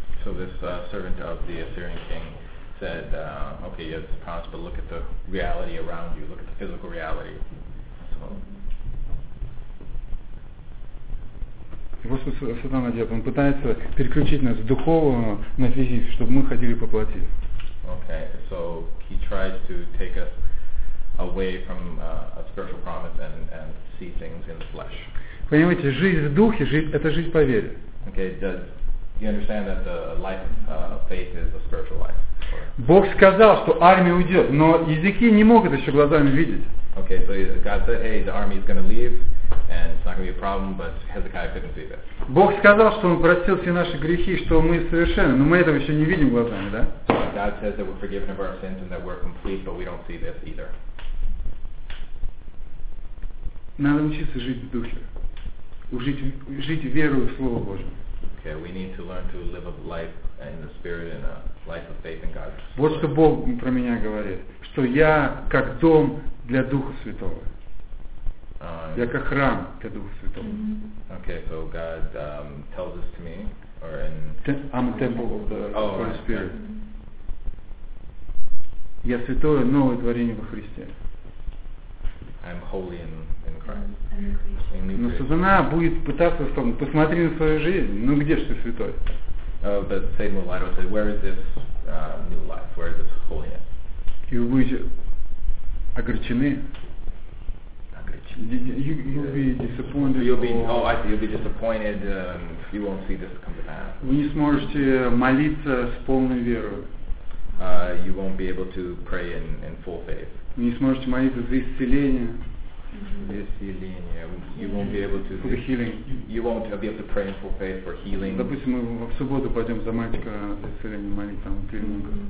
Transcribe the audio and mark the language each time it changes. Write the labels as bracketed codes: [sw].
[en] So this servant of the Assyrian king said, okay, you have this promise, but look at the reality around you, look at the physical reality. So. [ru] И вот что сатана делает, он пытается переключить нас с духовного на физическое, чтобы мы ходили по плоти. [en] Okay, so he tries to take us away from a spiritual promise and see things in the flesh. [ru] Понимаете, жизнь в духе, жизнь, это жизнь по вере. [en] Okay, you understand that the life of faith is a spiritual life. [ru] Бог сказал, что армия уйдет, но языки не могут еще глазами видеть. [en] Okay, so God said, hey, the army is going to leave, and it's not going to be a problem, but Hezekiah couldn't see that. [ru] Бог сказал, что он простил все наши грехи, что мы совершенны, но мы этого еще не видим глазами, да? [en] God says that we're forgiven of our sins and that we're complete, but we don't see this either. [ru] Надо учиться жить в духе. Жить веру в Слово Божие. [en] Okay, we need to learn to live a life in the Spirit and a life of faith in God. [ru] Вот что Бог про меня говорит, что я как дом для Духа Святого. Я как храм для Духа Святого. [en] Okay, so God tells this to me, or in... I'm a temple of the Holy Spirit. [ru] Я святое новое творение во Христе. [en] I'm holy in Christ. [ru] Но сатана будет пытаться сказать, посмотри на свою жизнь, ну где ж ты святой? [en] But Satan will lie to say, where is this new life? Where is this holiness? [ru] И вы будете огорчены. [en] You'll be disappointed. You'll be disappointed. You won't see this come to pass. [ru] Вы не сможете молиться с полной верой. [en] you won't be able to pray in full faith. [ru] Вы не сможете молиться за исцеление. [en] Исцеление. You won't be able to. For the healing. You won't be able to pray in full faith for healing. [ru] Допустим, мы в субботу пойдем за мальчика за исцеление молиться, он перенёс.